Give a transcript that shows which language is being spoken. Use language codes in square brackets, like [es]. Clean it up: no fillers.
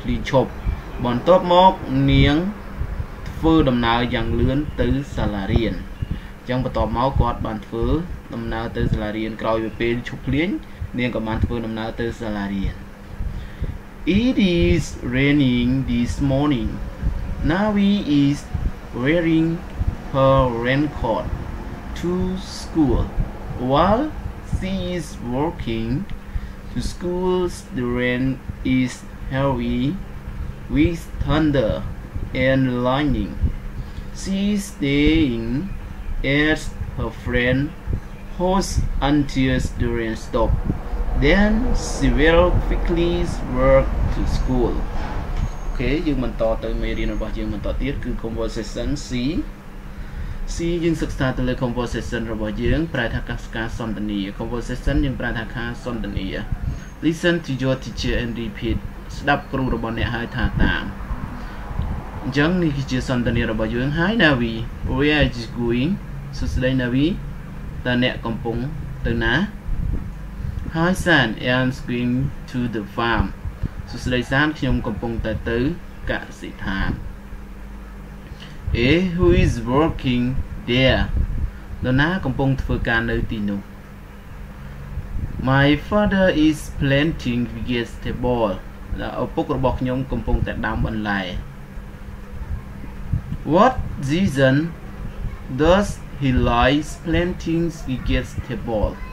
[km] ឈប់បន្ទាប់មកនាងធ្វើដំណើរយ៉ាងលឿនទៅសាលារៀនអញ្ចឹងបន្ទាប់មកគាត់បានធ្វើដំណើរទៅសាលារៀនក្រោយពេលឈប់ភ្លៀងនាងក៏បានធ្វើដំណើរទៅសាលារៀន [en] It is raining this morning. Navi is wearing her raincoat to school. WhileShe is walking to school. The rain is heavy with thunder and lightning. She is staying at her friend's house until the rain stops. Then she will quickly walk to school. [km] Okay, យើងបន្តទៅមេរៀនរបស់យើងបន្តទៀតគឺ conversation C. C យើងសិក្សាទៅលើ conversation របស់យើងប្រែថាការសន្ទនា conversation យើងប្រែថាការសន្ទនា [en] listen to your teacher and repeat [km] ស្ដាប់គ្រូរបស់អ្នកហើយថាតាម អញ្ចឹងនេះគឺជាសន្ទនារបស់យើងហើយ [en] Navi where are you going [km] សួស្ដី Navi តើអ្នកកំពុងទៅណា [en] Hi San I'm going to the farm [km] សួស្ដី San ខ្ញុំកំពុងតែទៅកសិដ្ឋាន [en] who is working there? [km] នរណាកំពុងធ្វើការនៅទីនោះ? [en] My father is planting vegetable. [km] ឪពុករបស់ខ្ញុំកំពុងតែដាំបន្លែ. [en] What season does he like planting vegetable?